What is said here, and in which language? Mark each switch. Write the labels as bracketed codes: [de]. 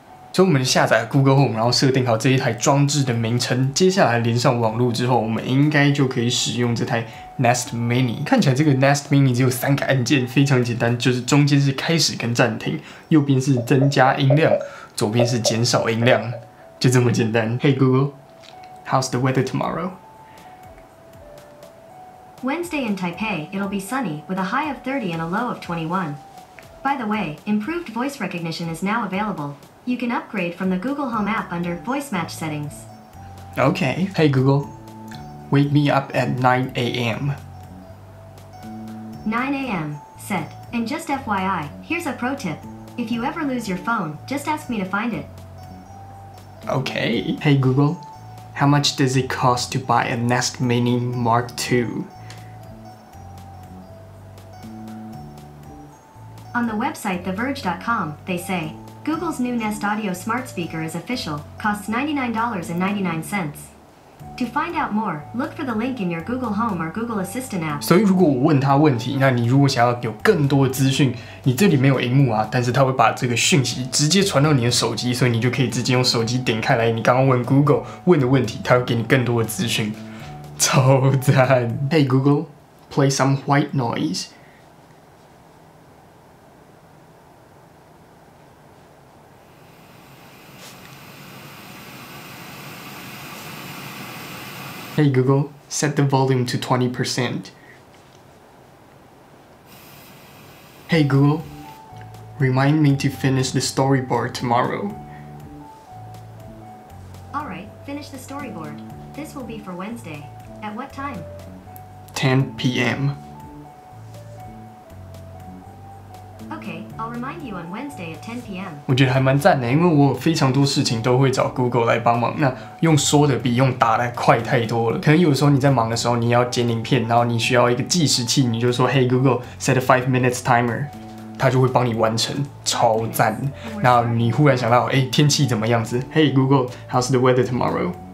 [zh] 所以我们下载 Google Home， 然后设定好这一台装置的名称，接下来连上网络之后，我们应该就可以使用这台Nest Mini。看起来这个 Nest Mini 只有三个按键，非常简单，就是中间是开始跟暂停，右边是增加音量，左边是减少音量，就这么简单。 [en] Hey Google， How's the weather tomorrow？ Wednesday in Taipei, it'll be sunny, with a high of 30 and a low of 21. By the way, improved voice recognition is now available. You can upgrade from the Google Home app under Voice Match Settings. Okay. Hey Google, wake me up at 9 a.m. 9 a.m. Set. And just FYI, here's a pro tip. If you ever lose your phone, just ask me to find it. Okay. Hey Google, how much does it cost to buy a Nest Mini Mark II? On the website TheVerge.com, they say, Google's new Nest Audio smart speaker is official, costs $99.99. To find out more, look for the link in your Google Home or Google Assistant app. [zh] 所以如果我问他问题，那你如果想要有更多的资讯，你这里没有萤幕啊，但是他会把这个讯息直接传到你的手机，所以你就可以直接用手机点开来你刚刚问 Google 问的问题，他会给你更多的资讯。超赞。 [en] Hey Google, play some white noise. Hey Google, set the volume to 20%. Hey Google, remind me to finish the storyboard tomorrow. All right, finish the storyboard. This will be for Wednesday. At what time? 10 p.m. Okay, I'll remind you on Wednesday at 10 p.m. [zh] 我觉得还蛮赞的，因为我非常多事情都会找 Google 来帮忙，那用说的比用打的快太多了。可能有时候你在忙的时候，你要剪影片，然后你需要一个计时器，你就说 [en] Hey Google, set a 5 minutes timer， [zh] 它就会帮你完成，超赞。那你忽然想到，哎，天气怎么样子？ [en] Hey Google, how's the weather tomorrow?